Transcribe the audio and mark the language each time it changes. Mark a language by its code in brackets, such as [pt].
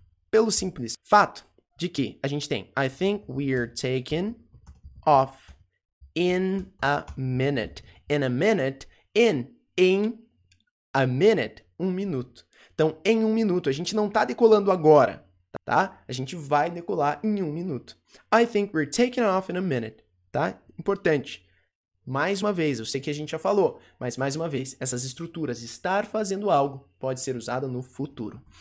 [pt] Pelo simples fato de que a gente tem [en] I think we're taking off in a minute. In a minute, in a minute, um minuto. [pt] Então, em um minuto, a gente não está decolando agora, tá? A gente vai decolar em um minuto. [en] I think we're taking off in a minute, tá? [pt] Importante. Mais uma vez, eu sei que a gente já falou, mas mais uma vez, essas estruturas, estar fazendo algo, pode ser usada no futuro.